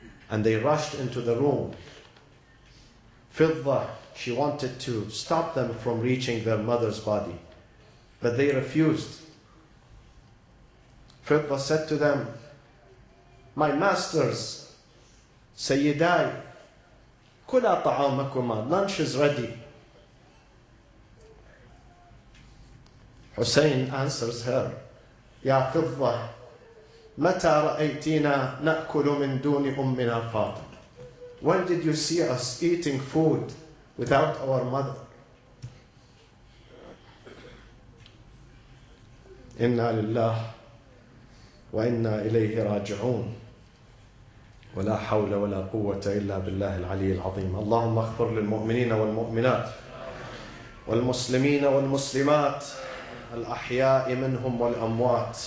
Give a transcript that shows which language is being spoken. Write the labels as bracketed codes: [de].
[en] And they rushed into the room. Fidda, she wanted to stop them from reaching their mother's body. But they refused. Fidda said to them, "My masters, [ar] Sayyidai, kula ta'amakuma, [en] lunch is ready." Hussein answers her, [ar] "Ya Fidda, متى رأيتنا نأكل من دون أمنا فاطمة." [en] When did you see us eating food without our mother? [ar] إنا لله وإنا إليه راجعون ولا حول ولا قوة إلا بالله العلي العظيم. اللهم اغفر للمؤمنين والمؤمنات والمسلمين والمسلمات الأحياء منهم والأموات.